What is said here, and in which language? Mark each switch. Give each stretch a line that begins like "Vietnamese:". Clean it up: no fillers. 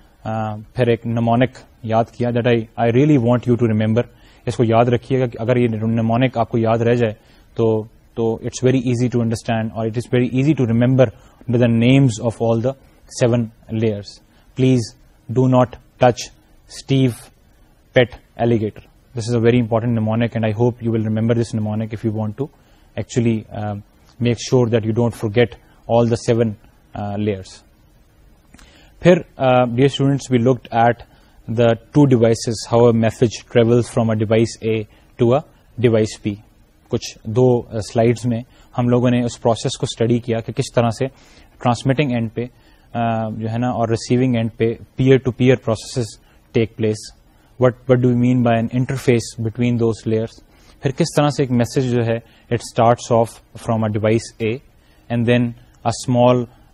Urdu: phir ek mnemonic yaad kiya
English: that I really want you to remember,
Urdu: isko yaad rakhiyega, agar ye mnemonic aapko yaad reh jaye, to
English: it's very easy to understand or it is very easy to remember under the names of all the seven layers. Please do not touch Steve Pet Alligator. This is a very important mnemonic and I hope you will remember this mnemonic if you want to actually make sure that you don't forget all the seven layers. Phir, dear students, we looked at the two devices, how a message travels from a device A to a device B.
Urdu: کچھ دو slides میں ہم لوگوں نے اس process کو study کیا کہ کس طرح سے ٹرانسمیٹنگ اینڈ پہ جو ہے نا اور ریسیونگ اینڈ پہ
English: peer to peer processes take place what do you mean by an interface between those layers
Urdu: پھر کس طرح سے ایک میسج جو ہے
English: it starts off from a device A and then a small